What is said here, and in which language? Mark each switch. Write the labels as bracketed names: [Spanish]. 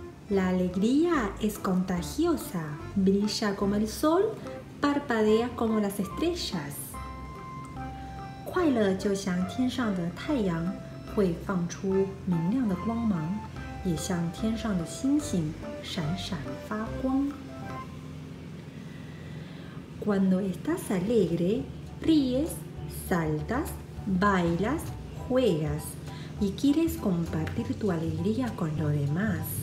[Spanish] La alegría es contagiosa, brilla como el sol, parpadea como las estrellas. [Chinese] 快乐就像天上的太阳，会放出明亮的光芒，也像天上的星星闪闪发光。 [Spanish] Cuando estás alegre, ríes, saltas, bailas, juegas. Y quieres compartir tu alegría con los demás.